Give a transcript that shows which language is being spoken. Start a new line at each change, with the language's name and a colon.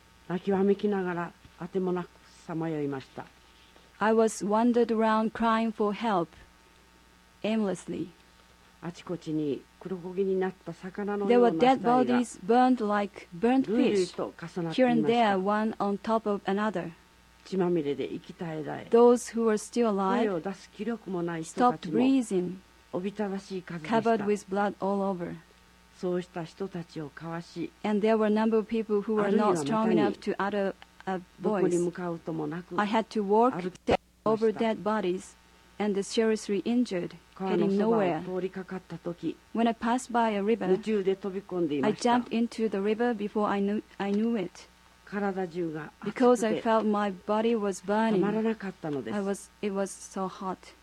English: I was wandered around crying for help aimlessly. There were dead bodies burned like burnt fish here and there, one on top of another.
Japanese: 血まみれで息絶え絶え
English: Those who were still alive
Japanese: 声を出す気力もない人たちも
English: stopped breathing,
Japanese: おびただしい数でした
English: covered with blood all over.
Japanese: そうした人たちをかわし
English: And there were a number of people who were not strong enough to utter a voice.
Japanese: どこに向かうともなく
English: I had to walk over dead bodies and the seriously injured heading nowhere.
Japanese: 川のそばを通りかかった時
English: When I passed by a river
Japanese: 夢中で飛び込んでいました
English: I jumped into the river before I knew it. Because I felt my body was burning, it was so hot.